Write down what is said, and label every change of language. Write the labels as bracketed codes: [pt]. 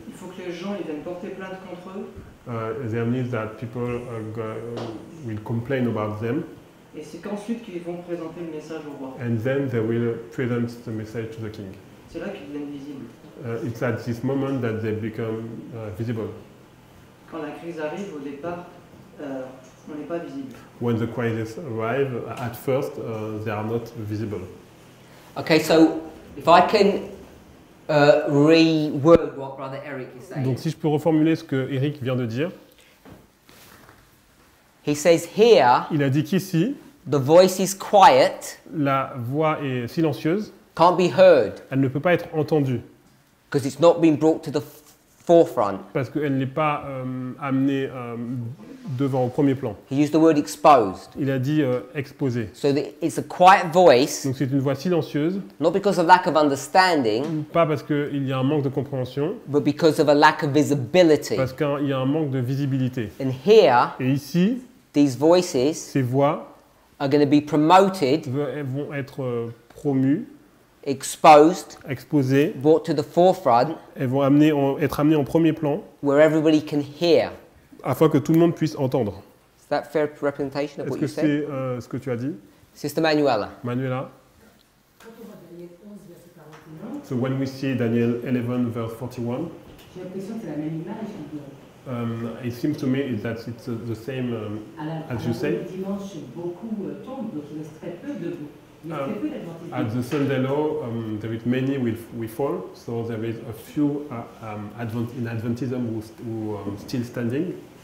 [fr] Il faut que les gens viennent porter plainte contre eux. [en] There means that people will complain about them. [fr] Et c'est qu'ensuite qu'ils vont présenter le message au roi. [en] And then they will present the message to the king. [fr] C'est là qu'ils deviennent visibles. [en] It's at this moment that they become visible. [fr] Quand la crise arrive au départ, on n'est pas visible. [en] When the crisis arrive, at first they are not visible. Okay, so if I can reword what Brother Eric is saying. [fr] Donc si je peux reformuler ce que Eric vient de dire. [en] He says here. [fr] Il a dit qu'ici. [en] The voice is quiet. [fr] La voix est silencieuse. [en] Can't be heard. [fr] Elle ne peut pas être entendue. [en] Because it's not been brought to the forefront. [fr] Parce qu'elle n'est pas amenée devant au premier plan. [en] He used the word exposed. [fr] Il a dit exposé. [en] So it's a quiet voice. [fr] Donc c'est une voix silencieuse. [en] Not because of lack of understanding. [fr] Pas parce qu'il y a un manque de compréhension. [en] But because of a lack of visibility. [fr] Parce qu'il y a un manque de visibilité. [en] And here. [fr] Et ici. [en] These voices. [fr] Ces voix. [en] Are going to be promoted. [fr] Vont être promues. [en] Exposed. [fr] Exposées. [en] Brought to the forefront. [fr] Elles vont être amenées en premier plan. [en] Where everybody can hear. [fr] Afin que tout le monde puisse entendre. [en] Is that fair representation of [fr] Est-ce [en] what you said? [fr] Est-ce que c'est ce que tu as dit? [en] Sister Manuela. [fr] Manuela. [en] So when we see Daniel 11 verse 41. [fr] J'ai l'impression que c'est la même image. [en] It seems to me that it's the same as you say. [fr] Dimanche, beaucoup tombent, donc il reste très peu de vous. [en] At the Sunday law, there is many will fall, so there is a few in Adventism who still standing.